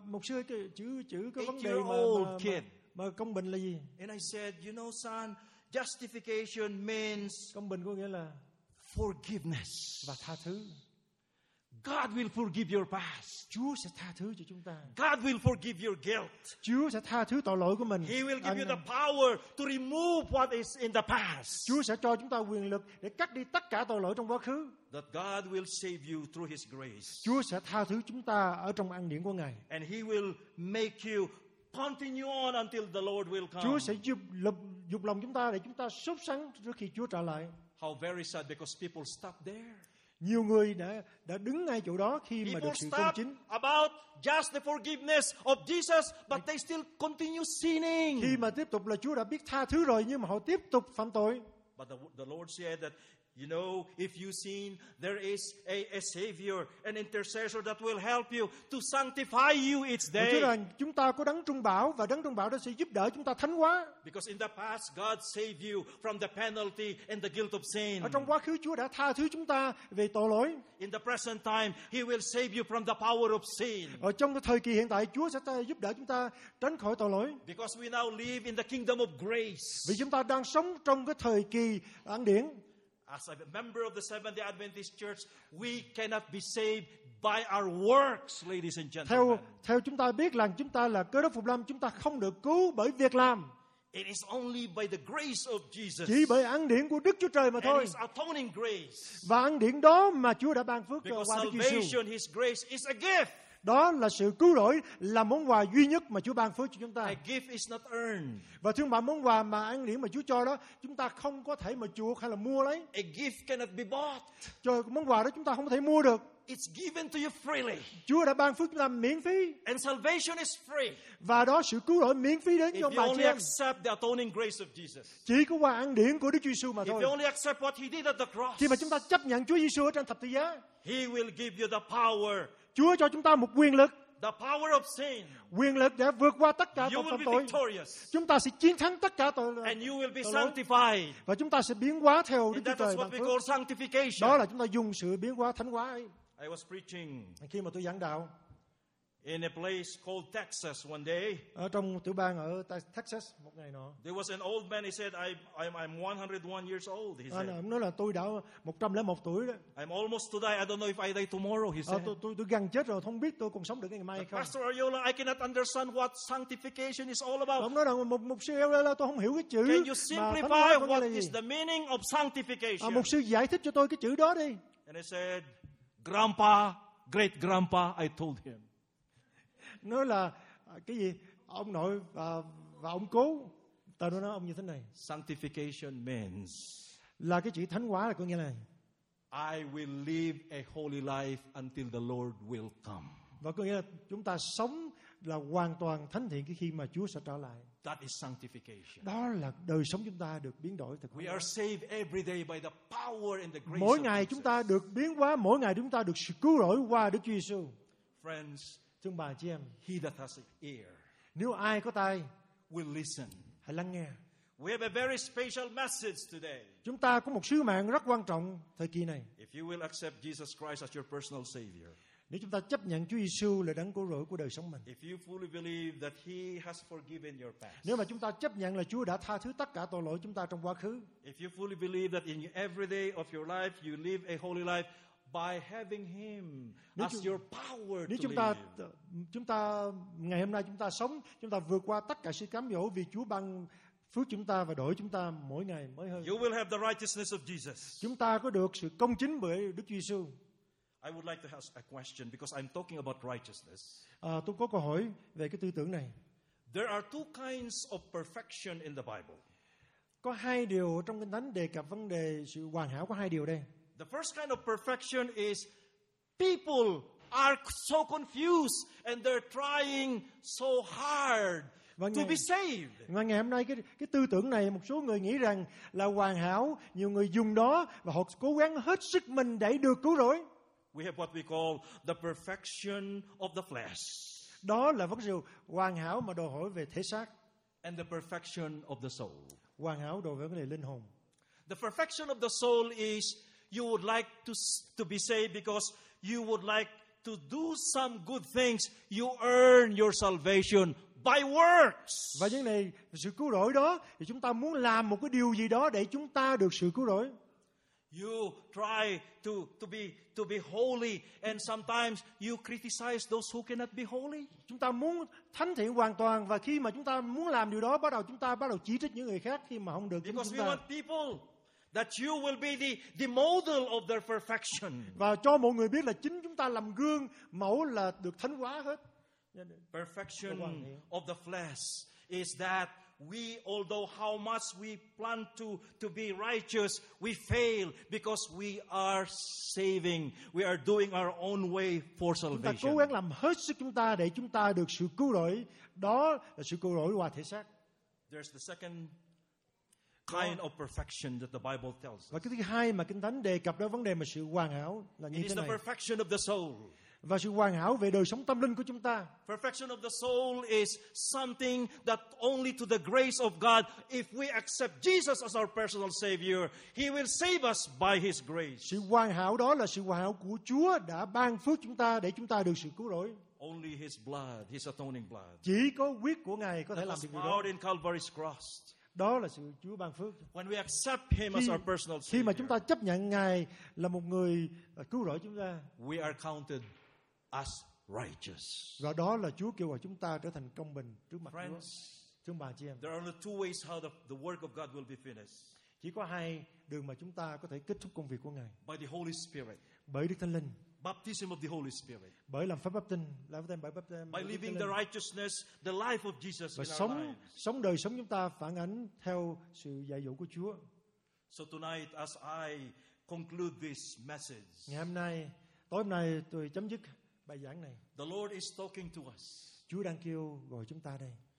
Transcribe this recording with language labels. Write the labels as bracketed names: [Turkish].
[Vietnamese] Mục sư ơi, chữ có vấn đề mà công bình là gì? [English] And I said, you know, son, justification means [Vietnamese] công bình có nghĩa là [English] forgiveness [Vietnamese] và tha thứ. [English] God will forgive your past. [Vietnamese] Chúa sẽ tha thứ cho chúng ta. [English] God will forgive your guilt. [Vietnamese] Chúa sẽ tha thứ tội lỗi của mình. [English] He will give you the power to remove what is in the past. [Vietnamese] Chúa sẽ cho chúng ta quyền lực để cắt đi tất cả tội lỗi trong quá khứ. [English] That God will save you through His grace. [Vietnamese] Chúa sẽ tha thứ chúng ta ở trong ân điển của Ngài. [English] And He will make you continue on until the Lord will come. [Vietnamese] Chúa sẽ giúp lòng chúng ta để chúng ta sốt sắng trước khi Chúa trở lại. [English] How very sad, because people stop there. [Vietnamese] Nhiều người đã đứng ngay chỗ đó khi mà được sự công chính. [English] About just the forgiveness of Jesus, but they still continue sinning. [Vietnamese] Khi mà tiếp tục là Chúa đã biết tha thứ rồi nhưng mà họ tiếp tục phạm tội. [English] But the Lord said that, you know, if you sin, there is a savior, an intercessor that will help you to sanctify you each day. [Vietnamese] Chúa rằng chúng ta có Đấng Trung Bảo và Đấng Trung Bảo đó sẽ giúp đỡ chúng ta thánh hóa. [English] Because in the past God saved you from the penalty and the guilt of sin. [Vietnamese] Ở trong quá khứ Chúa đã tha thứ chúng ta về tội lỗi. [English] In the present time He will save you from the power of sin. [Vietnamese] Ở trong thời kỳ hiện tại Chúa sẽ giúp đỡ chúng ta tránh khỏi tội lỗi. [English] Because we now live in the kingdom of grace. [Vietnamese] Vì chúng ta đang sống trong thời kỳ ân điển. [English] As a member of the Seventh-day Adventist Church, we cannot be saved by our works, ladies and gentlemen. [Vietnamese] Theo chúng ta biết rằng chúng ta là Cơ Đốc Phục Lâm, chúng ta không được cứu bởi việc làm. [English] It is only by the grace of Jesus. [Vietnamese] Chỉ bởi ân điển của Đức Chúa Trời mà thôi. [English] And His atoning grace. [Vietnamese] Và ân điển đó mà Chúa đã ban phước cho qua [English] Đức Giêsu. Because salvation, His grace is a gift. [Vietnamese] Đó là sự cứu rỗi, là món quà duy nhất mà Chúa ban phước cho chúng ta. [English] A gift is not earned. [Vietnamese] Và thương bạn, món quà mà ân điển mà Chúa cho đó, chúng ta không có thể mà chuộc hay là mua lấy. [English] A gift cannot be bought. [Vietnamese] Trời, món quà đó chúng ta không có thể mua được. [English] It's given to you freely. [Vietnamese] Chúa đã ban phước chúng ta miễn phí. [English] And salvation is free. [Vietnamese] Và đó sự cứu rỗi miễn phí đến [English] if [Vietnamese] cho ông bà chị em. [English] If you only accept the atoning grace of Jesus. [Vietnamese] Chỉ có qua ân điển của Đức Giêsu mà thôi. [English] If you only accept what He did at the cross. [Vietnamese] Khi mà chúng ta chấp nhận Chúa Giêsu ở trên thập tự giá. [English] He will give you the power. [Vietnamese] Chúa cho chúng ta một quyền lực. [English] The power of sin. [Vietnamese] Quyền lực để vượt qua tất cả [English] you [Vietnamese] tội phạm tội. [English] Victorious. [Vietnamese] Chúng ta sẽ chiến thắng tất cả tội lỗi. [English] And you will be sanctified. [Vietnamese] Và chúng ta sẽ biến hóa theo Đức Chúa Trời. [English] What we call sanctification. [Vietnamese] Đó là chúng ta dùng sự biến hóa thánh hóa ấy. [English] I was preaching. [Vietnamese] Khi mà tôi giảng đạo. [English] In a place called Texas one day. [Vietnamese] Ở trong tiểu bang ở Texas một ngày nọ. [English] There was an old man. He said, "I'm 101 years old." He said. [Vietnamese] Nói là tôi đã 101 tuổi đó. [English] I'm almost to die. I don't know if I die tomorrow. He said. [Vietnamese] Tôi gần chết rồi, không biết tôi còn sống được ngày mai không. [English] Pastor Ariola, I cannot understand what sanctification is all about. [Vietnamese] Ông nói rằng mục sư Ariola, tôi không hiểu cái chữ. [English] Can you simplify what is the meaning of sanctification? [Vietnamese] Mục sư giải thích cho tôi cái chữ đó đi. [English] And I said, "Grandpa, great grandpa," I told him. [Vietnamese] Nói là cái gì ông nội và ông cố tao nói ông như thế này. [English] Sanctification means [Vietnamese] là cái chữ thánh hóa là có nghĩa là [English] I will live a holy life until the Lord will come. [Vietnamese] Và có nghĩa là chúng ta sống là hoàn toàn thánh thiện khi mà Chúa sẽ trở lại. [English] That is sanctification. [Vietnamese] Đó là đời sống chúng ta được biến đổi thực. [English] We are saved every day by the power and the grace. [Vietnamese] Mỗi ngày chúng ta được biến hóa, mỗi ngày chúng ta được sự cứu rỗi qua Đức Chúa Giêsu. [English] Friends, [Vietnamese] thương bà chị em, [English] he that has ear, [Vietnamese] nếu ai có tai, [English] will listen, [Vietnamese] hãy lắng nghe. [English] We have a very special message today. [Vietnamese] Chúng ta có một sứ mạng rất quan trọng thời kỳ này. [English] If you will accept Jesus Christ as your personal savior, [Vietnamese] nếu chúng ta chấp nhận Chúa Giêsu là đấng cứu rỗi của đời sống mình. [English] If you fully believe that he has forgiven your past, [Vietnamese] nếu mà chúng ta chấp nhận là Chúa đã tha thứ tất cả tội lỗi chúng ta trong quá khứ. [English] If you fully believe that in every day of your life you live a holy life by having him as your power to live. [Vietnamese] Chúng ta ngày hôm nay chúng ta sống, chúng ta vượt qua tất cả sự cám dỗ vì Chúa ban phước chúng ta và đổi chúng ta mỗi ngày mới hơn. [English] You will have the righteousness of Jesus. [Vietnamese] Chúng ta có được sự công chính bởi Đức Giêsu. [English] I would like to ask a question because I'm talking about righteousness. [Vietnamese] Tôi có câu hỏi về cái tư tưởng này. [English] There are two kinds of perfection in the Bible. [Vietnamese] Có hai điều trong Kinh Thánh đề cập vấn đề sự hoàn hảo, có hai điều đây. [English] The first kind of perfection is people are so confused and they're trying so hard to be saved. [Vietnamese] Và ngày hôm nay cái tư tưởng này một số người nghĩ rằng là hoàn hảo, nhiều người dùng đó và họ cố gắng hết sức mình để được cứu rỗi. [English] We have what we call the perfection of the flesh. [Vietnamese] Đó là vấn đề hoàn hảo mà đòi hỏi về thể xác. [English] And the perfection of the soul. [Vietnamese] Hoàn hảo đòi hỏi vấn đề linh hồn. [English] The perfection of the soul is you would like to be saved because you would like to do some good things. You earn your salvation by works. [Vietnamese] Và những này sự cứu rỗi đó thì chúng ta muốn làm một cái điều gì đó để chúng ta được sự cứu rỗi. [English] You try to be holy and sometimes you criticize those who cannot be holy. [Vietnamese] Chúng ta muốn thánh thiện hoàn toàn và khi mà chúng ta muốn làm điều đó chúng ta bắt đầu chỉ trích những người khác khi mà không được chúng ta. [English] Because we want people that you will be the model of their perfection. [Vietnamese] Và cho mọi người biết là chính chúng ta làm gương mẫu là được thánh hóa hết. [English] Perfection of the flesh is that we, although how much we plan to be righteous, we fail because we are saving. We are doing our own way for salvation. [Vietnamese] Chúng ta cố gắng làm hết sức chúng ta để chúng ta được sự cứu rỗi. Đó là sự cứu rỗi qua thể xác. [English] There's the second kind of perfection that the Bible tells us. [Vietnamese] Và cái thứ hai mà Kinh Thánh đề cập đó vấn đề mà sự hoàn hảo là như thế này. [English] It is the perfection of the soul. [Vietnamese] Và sự hoàn hảo về đời sống tâm linh của chúng ta. [English] Perfection of the soul is something that only to the grace of God, if we accept Jesus as our personal Savior, He will save us by His grace. [Vietnamese] Sự hoàn hảo đó là sự hoàn hảo của Chúa đã ban phước chúng ta để chúng ta được sự cứu rỗi. [English] Only His blood, His atoning blood. [Vietnamese] Chỉ có huyết của Ngài có thể làm được điều đó. [English] In Calvary's cross. [Vietnamese] Đó là sự Chúa ban phước. [English] When we accept Him as our personal Savior. [Vietnamese] Khi mà chúng ta chấp nhận Ngài là một người cứu rỗi chúng ta. [English] We are counted as righteous. [Vietnamese] Và đó là Chúa kêu gọi chúng ta trở thành công bình trước mặt [English] Friends, [Vietnamese] Chúa. Thưa bà chị em. [English] There are only two ways how the work of God will be finished. [Vietnamese] Chỉ có hai đường mà chúng ta có thể kết thúc công việc của Ngài. [English] By the Holy Spirit. [Vietnamese] Bởi Đức Thánh Linh. [English] Baptism of the Holy Spirit. [Vietnamese] Bởi làm phép báp tin, làm phép báp tin. [English] By living the righteousness, the life of Jesus in our lives. [Vietnamese] Và sống đời sống chúng ta phản ánh theo sự dạy dỗ của Chúa. [English] So tonight, as I conclude this message. [Vietnamese] Ngày hôm nay, tối hôm nay tôi chấm dứt bài giảng này. [English] The Lord is talking to us. [Vietnamese] Chúa đang kêu gọi chúng ta đây.